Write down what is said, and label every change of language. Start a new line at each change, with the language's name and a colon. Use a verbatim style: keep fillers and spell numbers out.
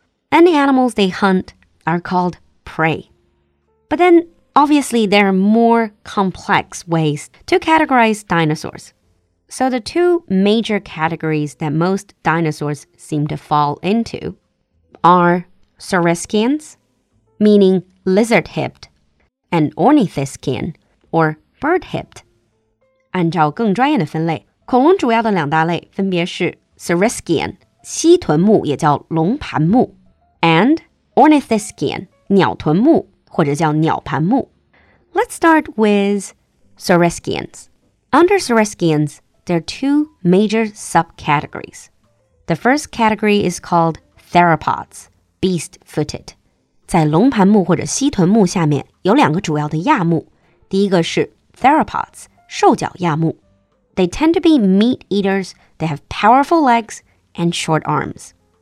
English: And the animals they hunt are called prey. But then, obviously, there are more complex ways to categorize dinosaurs. So the two major categories that most dinosaurs seem to fall into are Saurischians, meaning lizard-hipped, and Ornithischian, or bird-hipped.
Chinese: 按照更专业的分类，恐龙主要的两大类分别是 Saurischian, 蜥臀目也叫龙盘目 and Ornithischian, 鸟臀目或者叫鸟盘目
English: Let's start with Saurischians. Under Saurischians, there are two major subcategories. The first category is called theropods, beast-footed.
Chinese: 在龙盘目或者蜥臀目下面有两个主要的亚目第一个是 theropods, 兽脚亚目
English: They tend to be meat eaters that have powerful legs and short arms.